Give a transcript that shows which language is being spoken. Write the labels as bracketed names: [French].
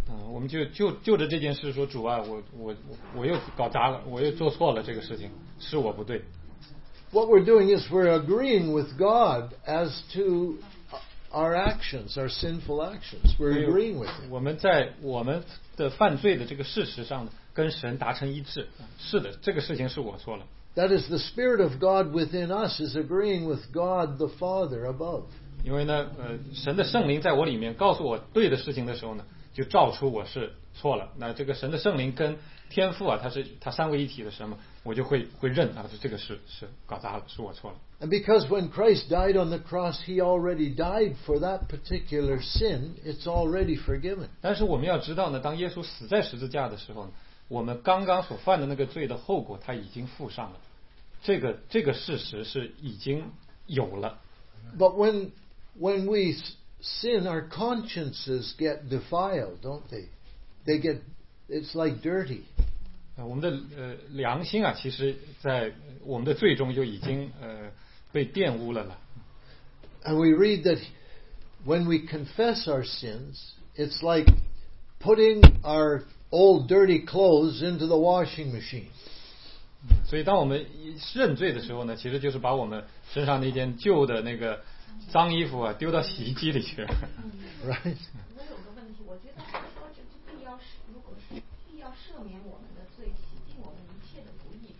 [Chinese] 我们就着这件事说，主啊，我又搞砸了，我又做错了这个事情，是我不对。 [English] What we're doing is we're agreeing with God as to our actions, our sinful actions. We're agreeing with Him. [Chinese] 我们在我们的犯罪的这个事实上呢。跟神达成一致，是的，这个事情是我错了。 [English] That is the Spirit of God within us is agreeing with God the Father above. [Chinese] 因为呢，神的圣灵在我里面告诉我对的事情的时候呢，就照出我是错了。那这个神的圣灵跟天父啊，他三位一体的神嘛，我就会认啊，这个是搞砸了，是我错了。 [English] And because when Christ died on the cross, He already died for that particular sin. It's already forgiven. [Chinese] 但是我们要知道呢，当耶稣死在十字架的时候呢。我们刚刚所犯的那个罪的后果，他已经付上了。这个事实是已经有了。 [English] But when we sin, our consciences get defiled, don't they? They get it's like dirty. [Chinese] 我们的良心啊，其实在我们的罪中就已经被玷污了了。 [English] And we read that when we confess our sins, it's like putting our old dirty clothes into the washing machine. [Chinese] 所以当我们认罪的时候呢，其实就是把我们身上那件旧的那个脏衣服啊丢到洗衣机里去。 [English] Right. [Chinese] 我有个问题，我觉得说就必要赦免我们的罪，洗净我们一切的不义。